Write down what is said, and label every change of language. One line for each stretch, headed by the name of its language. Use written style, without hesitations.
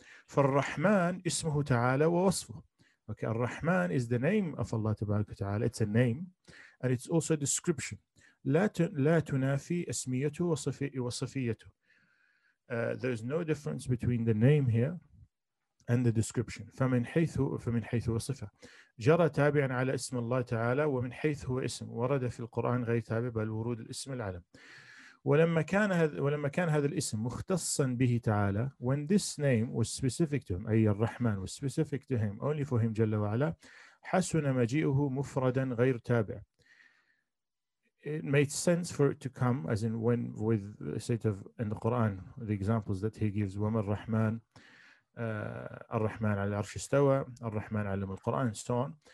Arabic: فالرحمن اسمه تعالى ووصفه.
English: Okay, الرحمن is the name of Allah تبارك وتعالى. It's a name, and it's also a description.
Arabic: لا تنافي اسميته وصفيته.
English: There is no difference between the name here and the description.
Arabic: فمن حيث وصفة جرى تابعا على اسم الله تعالى ومن حيث هو اسم ورد في القرآن غير تابع بل ورود الاسم العلم. ولما كان هذا الاسم مختصا به تعالى,
English: when this name was specific to him,
Arabic: أي الرحمن
English: was specific to him, only for him
Arabic: جل وعلا, حسن مجيئه مفردا غير تابع.
English: It made sense for it to come, as in when with the state of in the Quran, the examples that he gives,
Arabic: وما الرحمن الرحمن على العرش استوى الرحمن علم القرآن,
English: and so on.